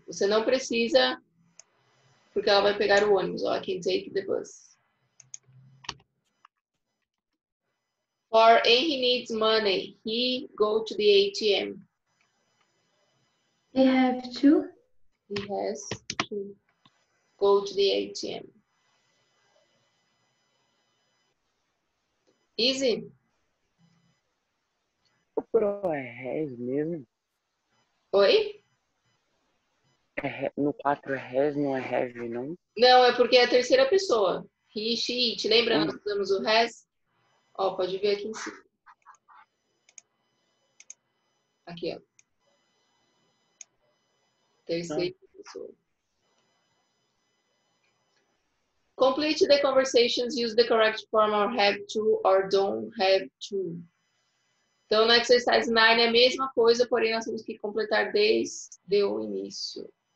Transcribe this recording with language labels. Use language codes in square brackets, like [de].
[pt] Você não precisa, porque ela vai pegar o ônibus. Ó. [en] I can take the bus. For and he needs money, he go to the ATM. He have to. He has to go to the ATM. Easy. [pt] O plural é has mesmo? Oi? É, no 4 é has, não é have, não? Não, é porque é a terceira pessoa. [en] He, she, it. [pt] Lembra? Nós usamos o has? Ó, pode ver aqui em cima. Aqui, ó. Terceira pessoa. [en] Complete the conversations. Use the correct form or have to or don't have to. [pt] Então, no exercise 9 é a mesma coisa, porém nós temos que completar desde o início.